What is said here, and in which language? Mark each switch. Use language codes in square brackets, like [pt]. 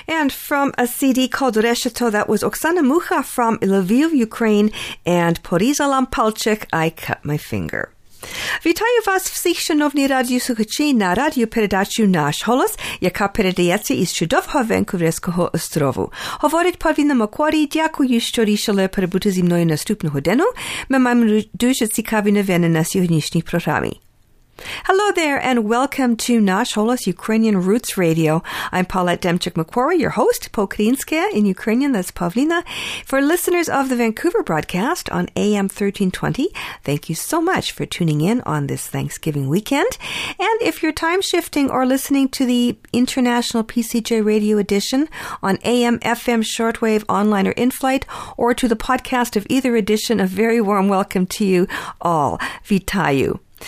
[en] From a CD called Rešeto, that was Oksana Mucha from Lviv, Ukraine, and Porizalam Palček, I Cut My Finger. [uk] Вітаю вас всіх, шановні радіослухачі, на радіопередачу «Наш голос», яка передається із чудового Венкуверського острову. Говорить Павіна Макуарі, дякую, що рішили перебути зі мною наступну годину. Ми маємо дуже цікаві новини на сьогоднішній програмі. [en] Hello there and welcome to Nash Holos Ukrainian Roots Radio. I'm Paulette Demchuk-McQuarrie, your host, Pokrinske in Ukrainian, that's Pavlina. For listeners of the Vancouver broadcast on AM 1320, thank you so much for tuning in on this Thanksgiving weekend. And if you're time shifting or listening to the International PCJ Radio Edition on AM, FM, shortwave, online or in-flight, or to the podcast of either edition, a very warm welcome to you all. Vitayu.